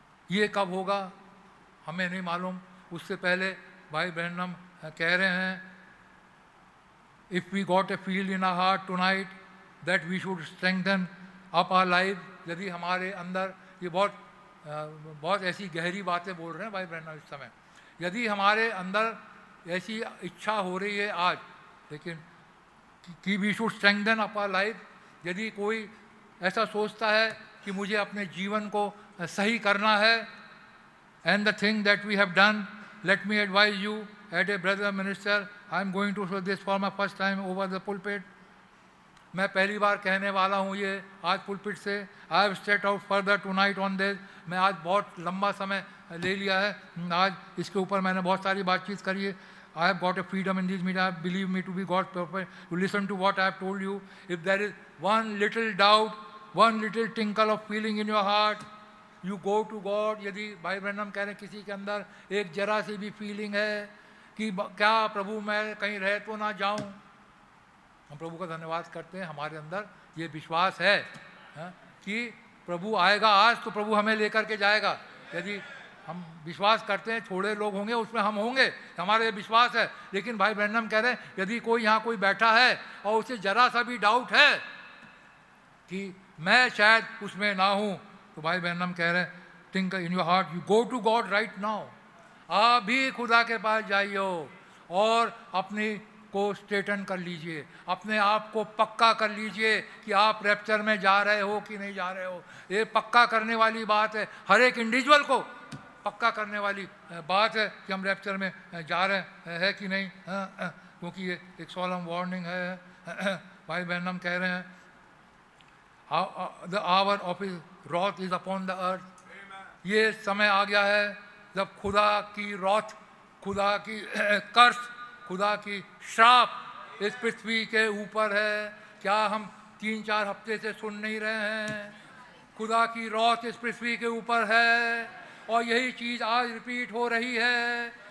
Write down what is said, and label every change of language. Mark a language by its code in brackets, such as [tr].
[hi] ये कब होगा हमें नहीं मालूम. उससे पहले भाई ब्रैनम कह रहे हैं [en] If we got a feel in our heart tonight that we should strengthen up our life. [hi] यदि हमारे अंदर ये बहुत बहुत ऐसी गहरी बातें बोल रहे हैं भाई ब्रैनम इस समय. यदि हमारे अंदर ऐसी इच्छा हो रही है आज लेकिन कि [en] We should strengthen up our life. [hi] यदि कोई ऐसा सोचता है कि मुझे अपने जीवन को सही करना है [en] and the thing that we have done, let me advise you as a brother minister, I am going to say this for my first time over the pulpit. [hi] मैं पहली बार कहने वाला हूँ ये आज पुलपिट से. [en] I have stayed out further tonight on this. [hi] मैं आज बहुत लंबा समय ले लिया है. आज इसके ऊपर मैंने बहुत सारी बातचीत करी है. [en] I have got a freedom in this meeting. Believe me to be God's prophet. You listen to what I have told you. If there is one little doubt, one little tinkle of feeling in your heart, you go to God. [hi] यदि भाई Branham कह रहे हैं किसी के अंदर एक जरा सी भी फीलिंग है कि क्या प्रभु मैं कहीं रह तो ना जाऊं, हम प्रभु का धन्यवाद करते हैं. हमारे अंदर ये विश्वास है कि प्रभु आएगा आज तो प्रभु हमें लेकर के जाएगा. यदि हम विश्वास करते हैं थोड़े लोग होंगे उसमें हम होंगे हमारे ये विश्वास है. लेकिन भाई ब्रैनम कह रहे हैं यदि कोई यहाँ कोई बैठा है और उसे जरा सा भी डाउट है कि मैं शायद उसमें ना हूँ तो भाई बहन हम कह रहे हैं [en] Think in your heart you go to God right now. [hi] अभी खुदा के पास जाइयो और अपने को स्ट्रेटन कर लीजिए. अपने आप को पक्का कर लीजिए कि आप रैप्चर में जा रहे हो कि नहीं जा रहे हो. ये पक्का करने वाली बात है. हर एक इंडिविजुअल को पक्का करने वाली बात है कि हम रैप्चर में जा रहे हैं कि नहीं. क्योंकि ये एक सॉलम वार्निंग है. भाई बहन हम कह रहे हैं [en] the hour of his wrath is upon the earth. [hi] ये समय आ गया है जब खुदा की रोथ, खुदा की कर्ष, खुदा की श्राप इस पृथ्वी के ऊपर है. क्या हम तीन चार हफ्ते से सुन नहीं रहे हैं? खुदा की रोथ इस पृथ्वी के ऊपर है और यही चीज आज रिपीट हो रही है.